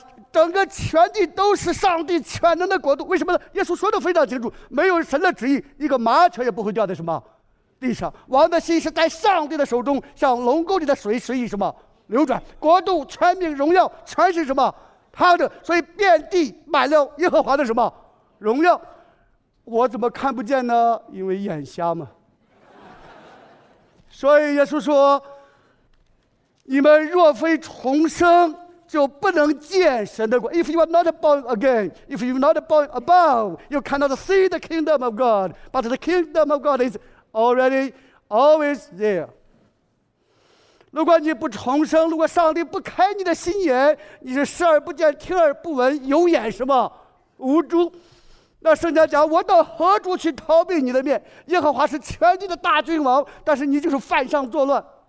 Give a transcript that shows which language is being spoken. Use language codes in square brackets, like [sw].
[zh] 整个全地都是上帝全能的国度为什么呢耶稣说得非常清楚没有神的旨意一个麻雀也不会掉在什么地上王的心是在上帝的手中像龙沟里的水随意什么流转国度全民荣耀全是什么他的所以遍地满了耶和华的什么荣耀我怎么看不见呢因为眼瞎嘛所以耶稣说你们若非重生就不能见神的国。 [en] If you are not born again, if you are not born above, you cannot see the kingdom of God. But the kingdom of God is already always there. [zh] 如果你不重生，如果上帝不开你的心眼，你是视而不见，听而不闻，有眼什么？无珠。那圣经讲，我到何处去逃避你的面？耶和华是全地的大君王，但是你就是犯上作乱。